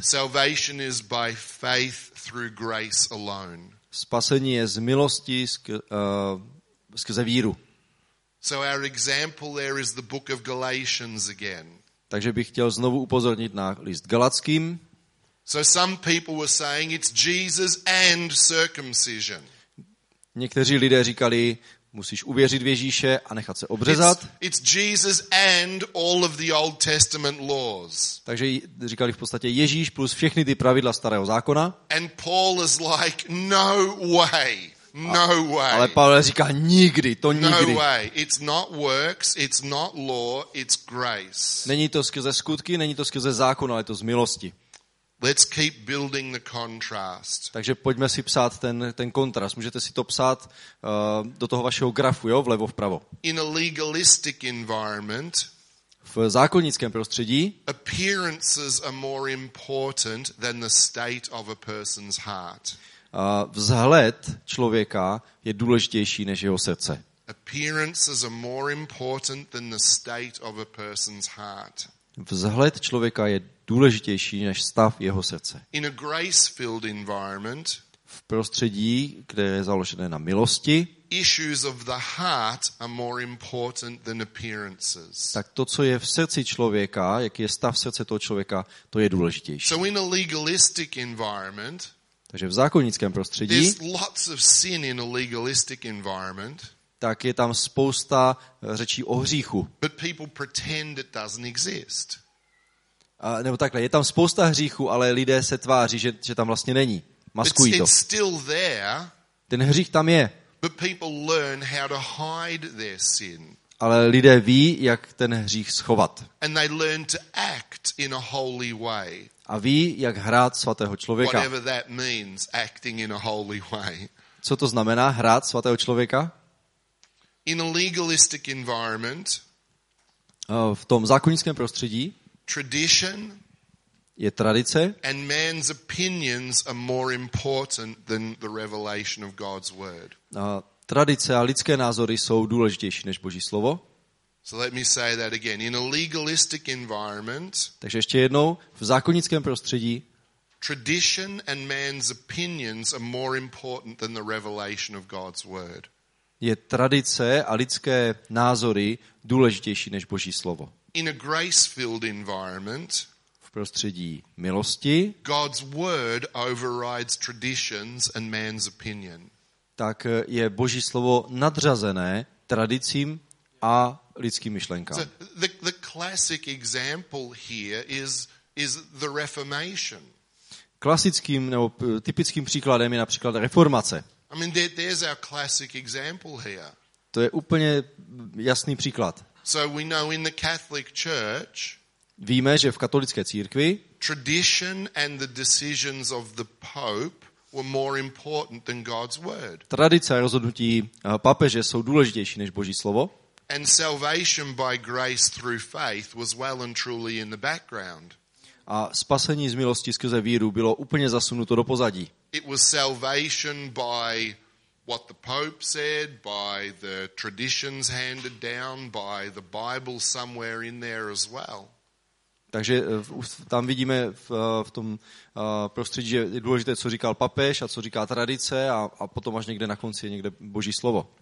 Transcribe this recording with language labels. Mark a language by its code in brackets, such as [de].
[en] salvation is by faith through grace alone. [cs] Spasení je z milosti skrze víru. [en] So our example there is the book of Galatians again. [cs] Takže bych chtěl znovu upozornit na list Galackým. [en] So some people were saying it's Jesus and circumcision. [cs] Někteří lidé říkali, musíš uvěřit v Ježíše a nechat se obřezat. [en] It's Jesus and all of the Old Testament laws. [cs] Takže říkali v podstatě Ježíš plus všechny ty pravidla starého zákona. [en] And Paul is like, no way. No way. [cs] Ale Pavel říká nikdy, to nikdy. [en] No way. It's not works, it's not law, it's grace. [cs] Není to skrze skutky, není to skrze zákon, ale je to z milosti. [en] Let's keep building the contrast. [cs] Takže pojďme si psát ten kontrast. Můžete si to psát do toho vašeho grafu, jo, vlevo vpravo. [en] In a legalistic environment, [cs] v zákonnickém prostředí, [en] appearances are more important than the state of a person's heart. [cs] Vzhled člověka je důležitější než jeho srdce. [en] Appearances are more important than the state of a person's heart. [cs] Vzhled člověka je důležitější než stav jeho srdce. [en] In a grace-filled environment, [cs] v prostředí, kde je založené na milosti, [en] issues of the heart are more important than appearances. [cs] Tak to, co je v srdci člověka, jaký je stav srdce toho člověka, to je důležitější. [en] So in a legalistic environment, [cs] takže v zákonnickém prostředí, [en] there's lots of sin in a legalistic environment, [cs] tak je tam spousta řečí o hříchu. [en] But people pretend it doesn't exist. [cs] Nebo takhle, je tam spousta hříchu, ale lidé se tváří, že tam vlastně není. Maskují to. [en] It's still there, [cs] ten hřích tam je. [en] But people learn how to hide their sin. [cs] Ale lidé ví, jak ten hřích schovat. [en] And they learn to act in a holy way. [cs] A ví, jak hrát svatého člověka. [en] Whatever that means, acting in a holy way. [cs] Co to znamená hrát svatého člověka? [en] In a legalistic environment, [cs] v tom zákonickém prostředí, [en] tradition, [cs] je tradice, [en] and man's opinions are more important than the revelation of God's word. [cs] Tradice a lidské názory jsou důležitější než Boží slovo. [en] So let me say that again. In a legalistic environment, [cs] takže ještě jednou, v zákonickém prostředí, [en] tradition and man's opinions are more important than the revelation of God's word. [cs] Je tradice a lidské názory důležitější než Boží slovo. [en] In a grace-filled environment, [cs] v prostředí milosti, [en] God's word overrides traditions and man's opinion. [cs] Tak je Boží slovo nadřazené tradicím a lidským myšlenkám. [en] So the classic example here is the Reformation. [cs] Klasickým nebo typickým příkladem je například reformace. [en] I mean, there's our classic example here. [cs] To je úplně jasný příklad. [en] So we know in the Catholic Church, [cs] víme, že v katolické církvi, [en] tradition and the decisions of the Pope were more important than God's word. [cs] Tradice a rozhodnutí papeže jsou důležitější než Boží slovo. [en] And salvation by grace through faith was well and truly in the background. [cs] A spasení z milosti skrze víru bylo úplně zasunuto do pozadí. [en] It was salvation by what the Pope said, by the traditions handed down, by the Bible somewhere in there as well. [cs] Takže tam vidíme v tom prostředí, že je důležité, co říkal papež a co říká tradice a potom až někde na konci je někde Boží slovo.